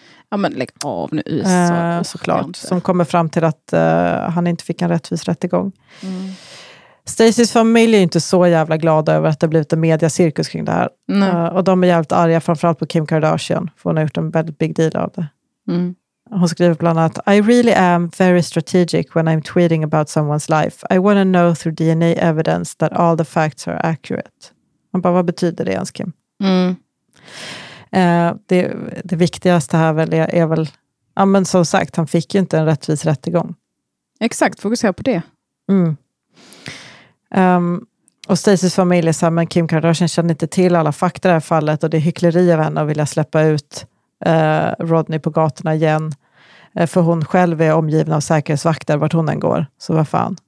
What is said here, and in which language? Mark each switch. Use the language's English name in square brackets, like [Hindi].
[Swedish] Ja, men lägg av nu. Såklart. Som kommer fram till att han inte fick en rättvis rättegång. Mm. Stacys familj är inte så jävla glada över att det har blivit en mediacirkus kring det här. Och de är jävligt arga, framförallt på Kim Kardashian, för hon har gjort en väldigt [English] big deal [Swedish] av det. Mm. Hon skriver bland annat, [English] I really am very strategic when I'm tweeting about someone's life. I want to know through DNA evidence that all the facts are accurate. [Swedish] Man bara, vad betyder det ens, Kim? Mm. Det viktigaste här väl är väl, ja, men som sagt, han fick ju inte en rättvis rättegång. Exakt, fokusera på det. Mm. Och Stacys familj är så här, men Kim Kardashian känner inte till alla fakta i det här fallet och det är hyckleri av henne att vilja släppa ut Rodney på gatorna igen, för hon själv är omgiven av säkerhetsvakter vart hon än går, så vad fan.